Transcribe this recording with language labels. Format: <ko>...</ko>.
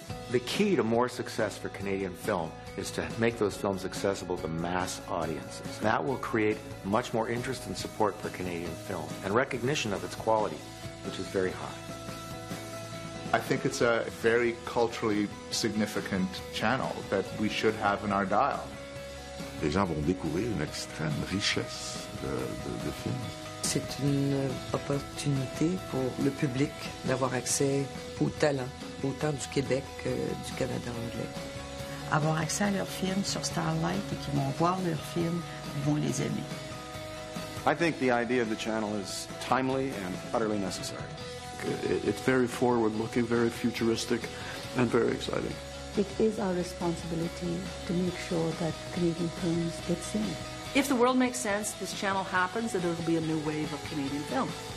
<en>The key to more success for Canadian film is to make those films accessible to mass audiences. That will create much more interest and support for Canadian film and recognition of its quality, which is very high. I think it's a very culturally significant channel that we should have in our dial.</en> <fr>Les gens vont découvrir une extrême richesse de films. C'est une opportunité pour le public d'avoir accès aux talents, autant du Québec que du Canada anglais. Avoir accès à leurs films sur Starlight et qu'ils vont voir leurs films vont les aimer.</fr> <en>I think the idea of the channel is timely and utterly necessary. It's very forward-looking, very futuristic, and very exciting. It is our responsibility to make sure that Canadian films get seen. If the world makes sense, this channel happens, then there will be a new wave of Canadian film.</en>